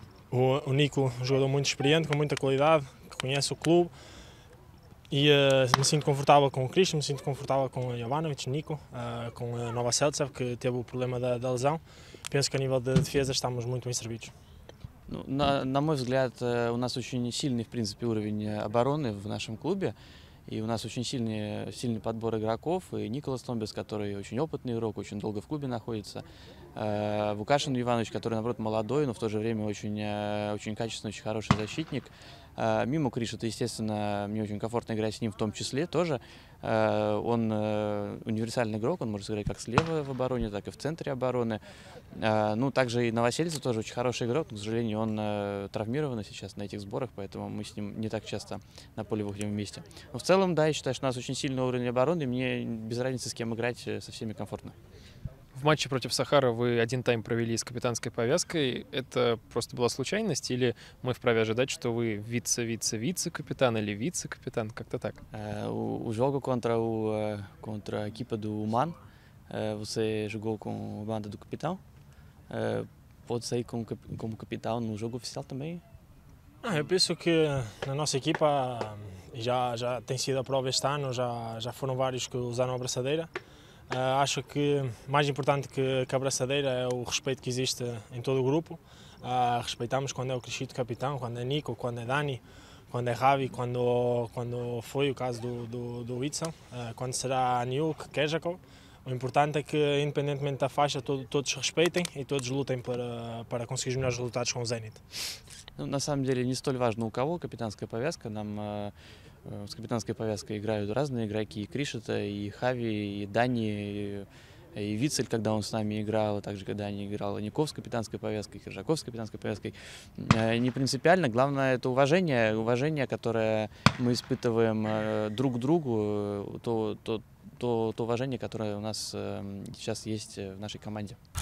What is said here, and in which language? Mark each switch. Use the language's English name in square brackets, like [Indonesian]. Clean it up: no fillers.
[Portuguese] O Nico, um jogador muito experiente, com muita qualidade, que conhece o clube. E me sinto confortável com o Cristo, me sinto confortável com o Jovanović, Nico, com a Nova Seltzer, que teve o problema da lesão. Penso que a nível de defesa estamos muito bem servidos. Na meu [Russian] взгляд, у нас очень сильный, в принципе, уровень обороны в нашем клубе. И у нас очень сильный подбор игроков. И Николас Томбес, который очень опытный игрок, очень долго в клубе находится. Вукашин Иванович, который, наоборот, молодой, но в то же время очень качественный, очень хороший защитник. Мимо Кришета, естественно, мне очень комфортно играть с ним в том числе тоже. Он универсальный игрок, он может сыграть как слева в обороне, так и в центре обороны. Ну, также и Новосельцев тоже очень хороший игрок, но, к сожалению, он травмирован сейчас на этих сборах, поэтому мы с ним не так часто на поле выходим вместе. Но в целом, да, я считаю, что у нас очень сильный уровень обороны, мне без разницы, с кем играть, со всеми комфортно. В матче против Сахара вы один тайм провели с капитанской повязкой. Это просто была случайность или мы вправе ожидать, что вы вице-капитан или вице-капитан? Как-то так. [Portuguese] O jogo contra a equipa do Oman, você jogou com a banda do capitão? Pode sair como capitão no jogo oficial também? Eu penso que na nossa equipa já tem sido a prova este ano, já foram vários que usaram a braçadeira. Acho que mais importante que a braçadeira é o respeito que existe em todo o grupo. Respeitamos quando é o Cristito capitão, quando é Nico, quando é Dani, quando é Javi, quando foi o caso do Witzel, quando será Niuk, Kejakov. O importante é que, independentemente da faixa, todos respeitem e todos lutem para conseguir os melhores resultados com o Zenit. Na verdade, não é tão importante o que é a capitânica [Russian] повязка. С капитанской повязкой играют разные игроки, и Кришета, и Хави, и Дани, и Вицель, когда он с нами играл, а также когда они играли, Ников с капитанской повязкой, Хиржаков с капитанской повязкой. Не принципиально, главное это уважение, которое мы испытываем друг к другу, то уважение, которое у нас сейчас есть в нашей команде.